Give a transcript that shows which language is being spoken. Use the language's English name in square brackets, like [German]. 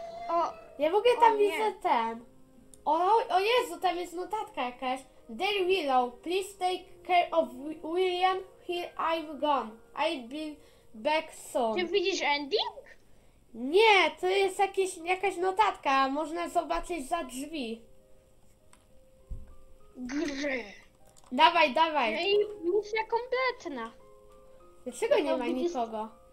[Polish] O, ja w ogóle tam widzę ten. O Jezu, tam jest notatka jakaś. [English] Dear Willow, please take care of William, here I've gone. I've been back soon. [Polish] Ty widzisz ending? Nie, to jest jakaś notatka, można zobaczyć za drzwi. Grrrr. Dawaj. No i misja kompletna. Dlaczego nie ma nikogo?